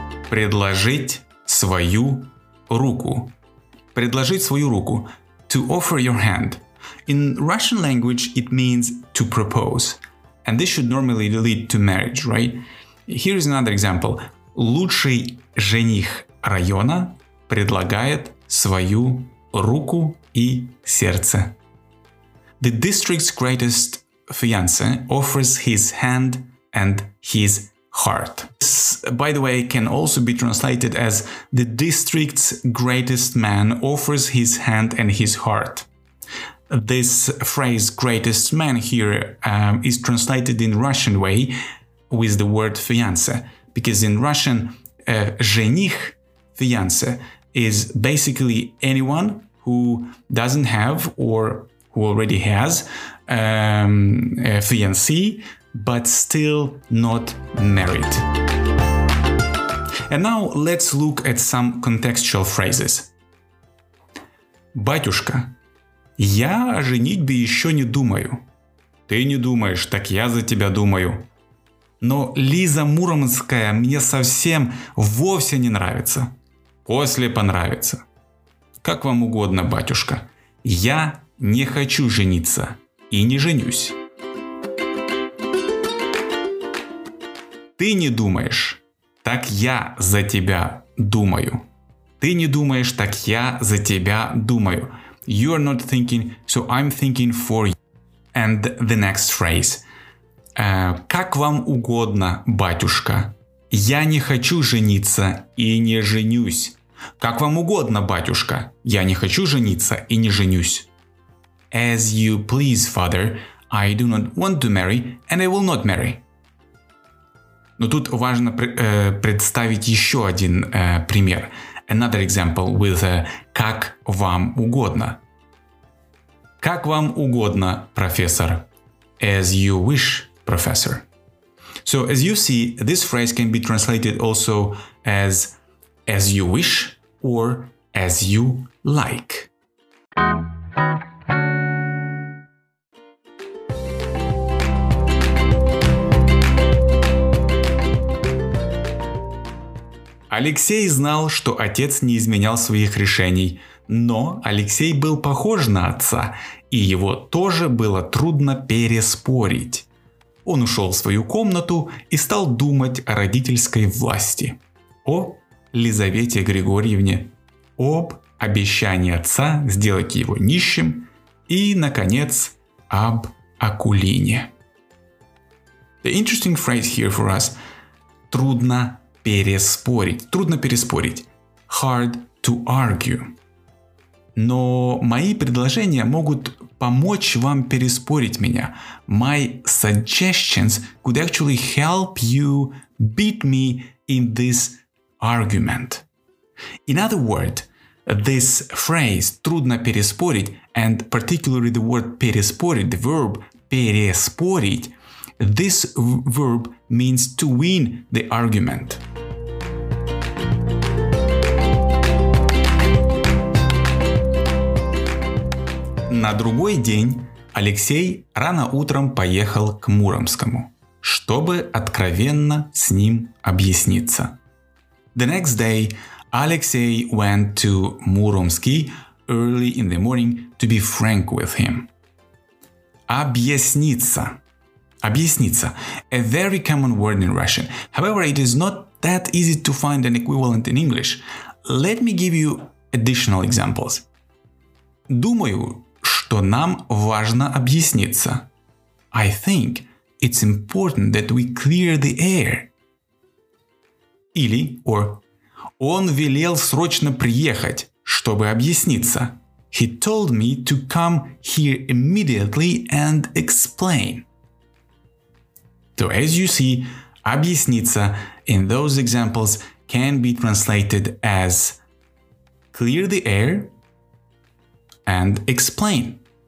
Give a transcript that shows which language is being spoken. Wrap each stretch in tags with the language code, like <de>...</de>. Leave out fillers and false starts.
<ru>Предложить свою руку. Предложить свою руку.</ru> <en>To offer your hand. In Russian language, it means to propose. And this should normally lead to marriage, right? Here is another example.</en> <ru>Лучший жених района предлагает свою руку и сердце.</ru> <en>The district's greatest fiancé offers his hand and his heart. This, by the way, can also be translated as the district's greatest man offers his hand and his heart. This phrase greatest man here is translated in Russian way with the word fiancé. Because in Russian, жених, fiancé, is basically anyone who doesn't have or who already has a fiancé, but still not married. And now let's look at some contextual phrases.</en> <ru>Батюшка, я о женитьбе еще не думаю. Ты не думаешь, так я за тебя думаю. Но Лиза Муромская мне совсем вовсе не нравится. После понравится. Как вам угодно, батюшка. Я не хочу жениться и не женюсь. Ты не думаешь, так я за тебя думаю. Ты не думаешь, так я за тебя думаю.</ru> <en>You are not thinking, so I'm thinking for you. And the next phrase.</en> <ru>Как вам угодно, батюшка. Я не хочу жениться и не женюсь. Как вам угодно, батюшка. Я не хочу жениться и не женюсь.</ru> <en>As you please, father. I do not want to marry and I will not marry.</en> <ru>Но тут важно представить еще один пример.</ru> <en>Another example with</en> <ru>как вам угодно. Как вам угодно, профессор.</ru> <en>As you wish. Professor. So as you see, this phrase can be translated also as you wish or as you like.</en> <ru>Алексей знал, что отец не изменял своих решений, но Алексей был похож на отца, и его тоже было трудно переспорить. Он ушел в свою комнату и стал думать о родительской власти. О Лизавете Григорьевне, об обещании отца сделать его нищим и, наконец, об Акулине.</ru> <en>The interesting phrase here for us –</en> <ru>трудно переспорить. Трудно переспорить.</ru> <en>Hard to argue.</en> <ru>Но мои предложения могут помочь вам переспорить меня.</ru> <en>My suggestions could actually help you beat me in this argument. In other words, this phrase</en> <ru>«трудно переспорить»</ru> <en>and particularly the word «переспорить», the verb «переспорить», this verb means «to win the argument».</en> <ru>На другой день Алексей рано утром поехал к Муромскому, чтобы откровенно с ним объясниться.</ru> <en>The next day Алексей went to Муромский early in the morning to be frank with him.</en> <ru>Объясниться. Объясниться.</ru> <en>A very common word in Russian. However, it is not that easy to find an equivalent in English. Let me give you additional examples.</en> <ru>Думаю, что нам важно объясниться.</ru> <en>I think it's important that we clear the air.</en> <ru>Или, or, он велел срочно приехать, чтобы объясниться.</ru> <en>He told me to come here immediately and explain. So as you see, объясниться in those examples can be translated as clear the air and explain.</en>